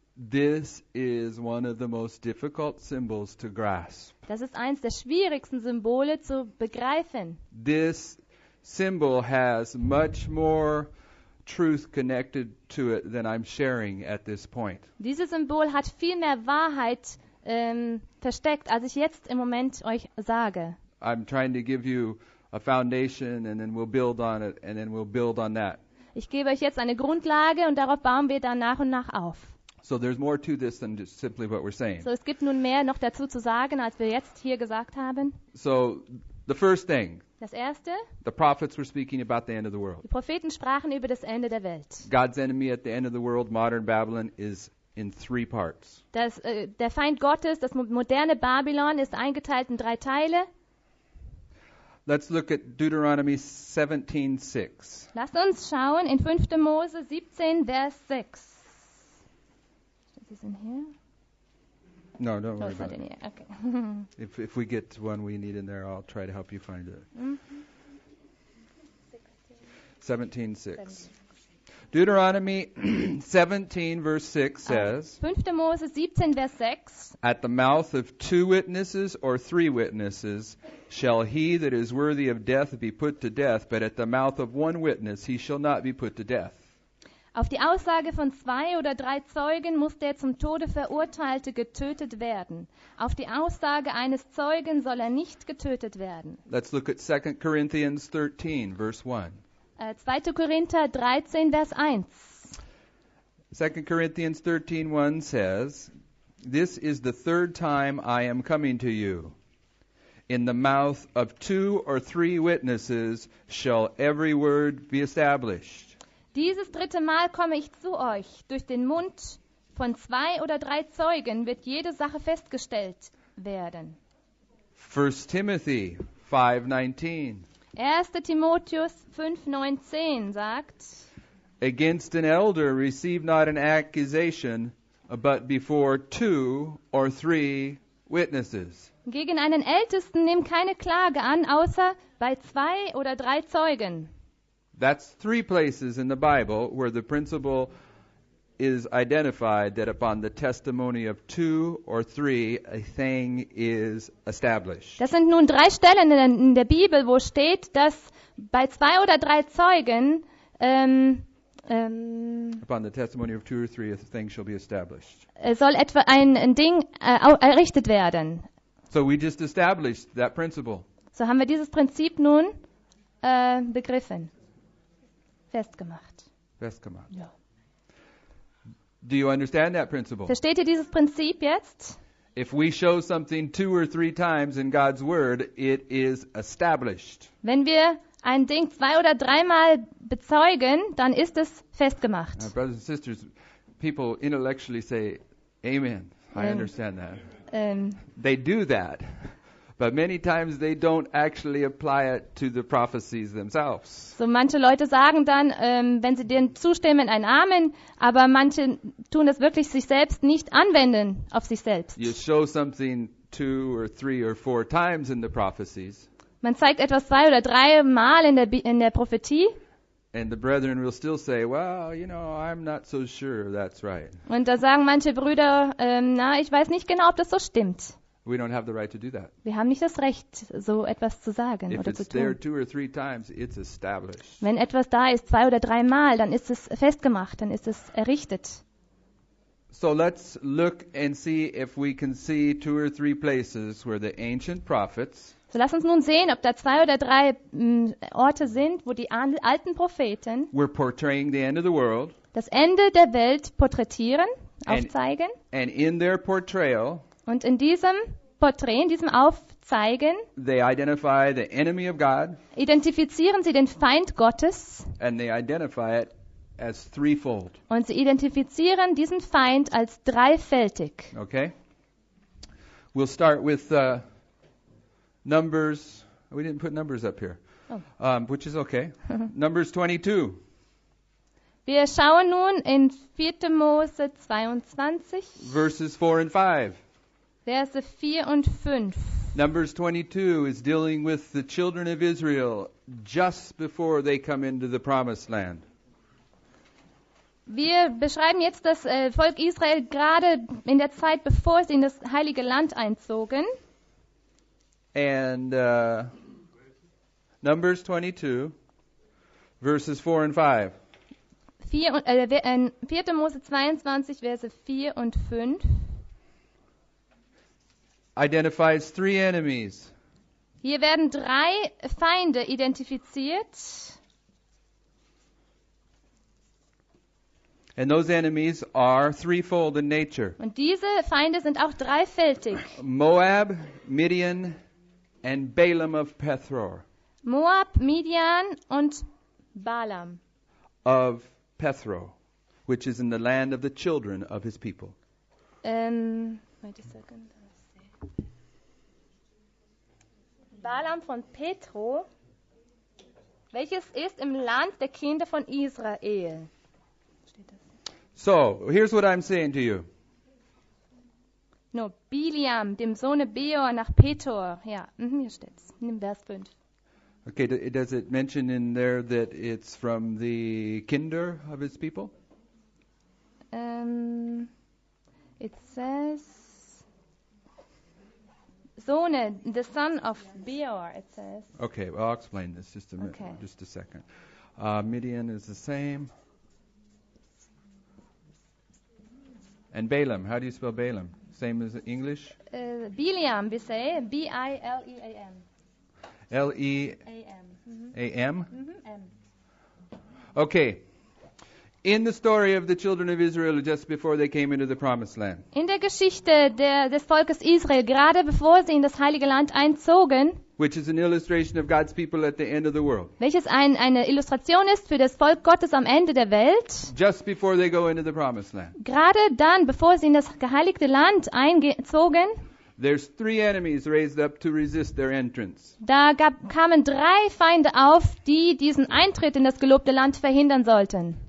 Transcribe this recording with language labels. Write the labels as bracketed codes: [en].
[en] This is one of the most difficult symbols to grasp. [de] Das ist eins der schwierigsten Symbole zu begreifen. [en] This symbol has much more truth connected to it than I'm sharing at this point. [de] Dieses Symbol hat viel mehr Wahrheit versteckt, als ich jetzt im Moment euch sage. [en] I'm trying to give you a foundation and then we'll build on it and then we'll build on that. [de] Ich gebe euch jetzt eine Grundlage und darauf bauen wir dann nach und nach auf. [en] So there's more to this than just simply what we're saying. [de] So es gibt nun mehr noch dazu zu sagen, als wir jetzt hier gesagt haben. [en] So the first thing. [de] Das erste. [en] The prophets were speaking about the end of the world. [de] Die Propheten sprachen über das Ende der Welt. [en] God's enemy at the end of the world, modern Babylon, is in three parts. [de] Das, der Feind Gottes, das moderne Babylon, ist eingeteilt in drei Teile. [en] Let's look at Deuteronomy 17:6. [de] Lasst uns schauen in 5. Mose 17, Vers 6. [en] Is this in here? No, don't worry about it. Okay. if we get one we need in there, I'll try to help you find it. 17:6. Deuteronomy 17, verse 6 says, [de] 5. Mose 17, verse 6, [en] at the mouth of two witnesses or three witnesses shall he that is worthy of death be put to death, but at the mouth of one witness he shall not be put to death. [de] Auf die Aussage von 2 oder 3 Zeugen muss der zum Tode Verurteilte getötet werden. Auf die Aussage eines Zeugen soll er nicht getötet werden. [en] Let's look at 2 Corinthians 13, verse 1. [de] 2. Korinther 13, Vers 1. [en] 2 Corinthians 13, 1 says, "This is the third time I am coming to you. In the mouth of 2 or 3 witnesses shall every word be established." [de] Dieses dritte Mal komme ich zu euch. Durch den Mund von 2 oder 3 Zeugen wird jede Sache festgestellt werden. [en] 1 Timothy 5:19. [de] 1. Timotheus 5:19 sagt: [en] "Against an elder receive not an accusation, but before 2 or 3 witnesses." [de] Gegen einen Ältesten nimm keine Klage an, außer bei 2 oder 3 Zeugen. [en] That's 3 places in the Bible where the principle is identified that upon the testimony of 2 or 3 a thing is established. [de] Das sind nun 3 Stellen in der Bibel, wo steht, dass bei 2 oder 3 Zeugen [en] upon the testimony of 2 or 3 a thing shall be established. [de] Soll etwa ein Ding errichtet werden. So we just established that principle. So haben wir dieses Prinzip nun begriffen. Festgemacht. [en] Ja. Do you understand that principle? [de] Versteht ihr dieses Prinzip jetzt? [en] If we show something 2 or 3 times in God's word, it is established. [de] Wenn wir ein Ding 2 oder 3 Mal bezeugen, dann ist es festgemacht. [en] Now, brothers and sisters, people intellectually say, "Amen." I understand that. They do that. But many times they don't actually apply it to the prophecies themselves. [de] So manche Leute sagen dann, wenn sie denen zustimmen, ein Amen, aber manche tun das wirklich sich selbst nicht anwenden auf sich selbst. [en] You show something 2 or 3 or 4 times in the prophecies. [de] Man zeigt etwas 2 oder 3 Mal in der Prophetie. [en] And the brethren will still say, "Well, you know, I'm not so sure that's right." [de] Und da sagen manche Brüder, ich weiß nicht genau, ob das so stimmt. [en] We don't have the right to do that. [de] Wir haben nicht das Recht, so etwas zu sagen [en] if it's [de] zu tun. [en] There 2 or 3 times, it's established. [de] Wenn etwas da ist 2 oder 3 Mal, dann ist es festgemacht, dann ist es errichtet. [en] So let's look and see if we can see 2 or 3 places where the ancient prophets. [de] So lass uns nun sehen, ob da 2 oder 3 Orte sind, wo die alten Propheten [en] were portraying the end of the world. [de] Das Ende der Welt porträtieren, aufzeigen. [en] And in their portrayal. [de] Und in diesem Porträt, in diesem Aufzeigen, [en] they identify the enemy of God, [de] identifizieren sie den Feind Gottes, [en] and they identify it as threefold. [de] Und sie identifizieren diesen Feind als dreifältig. [en] Okay. We'll start with Numbers. We didn't put Numbers up here, which is okay. Numbers 22. [de] Wir schauen nun in 4. Mose 22, Verses 4 and 5. Verse 4 und 5. [en] Numbers 22 is dealing with the children of Israel just before they come into the promised land. [de] Wir beschreiben jetzt das Volk Israel gerade in der Zeit, bevor sie in das heilige Land einzogen. [en] And Numbers 22, verses 4 and 5. [de] 4. Mose 22, Verse 4 und 5. [en] Identifies 3 enemies. [de] Hier werden 3 Feinde identifiziert. [en] And those enemies are threefold in nature. [de] Und diese Feinde sind auch dreifältig. [en] Moab, Midian and Balaam of Pethor. [de] Moab, Midian und Balaam. [en] Of Pethor, which is in the land of the children of his people. Wait a second. [de] Balaam von Petro, welches ist im Land der Kinder von Israel. [en] So, here's what I'm saying to you. [de] No, Bileam, dem Sohne Beor nach Petor. Ja, hier steht's. Nimm Vers 5. [en] Okay, does it mention in there that it's from the Kinder of his people? It says Sohne, the son of Beor, it says. Okay, well, I'll explain this just a minute. Okay. Just a second. Midian is the same. And Balaam, how do you spell Balaam? Same as English? Bileam, we say. B-I-L-E-A-M. L-E-A-M. A-M? Mm-hmm. Okay. In the story of the children of Israel just before they came into the promised land. [de] In der Geschichte des Volkes Israel, gerade bevor sie in das Heilige Land einzogen. [en] Which is an illustration of God's people at the end of the world. [de] Welches eine Illustration ist für das Volk Gottes am Ende der Welt. [en] Just before they go into the promised land. [de] Gerade dann, bevor sie in das geheiligte Land einzogen. [en] There's three enemies raised up to resist their entrance. [de] Kamen drei Feinde auf, die diesen Eintritt in das gelobte Land verhindern sollten.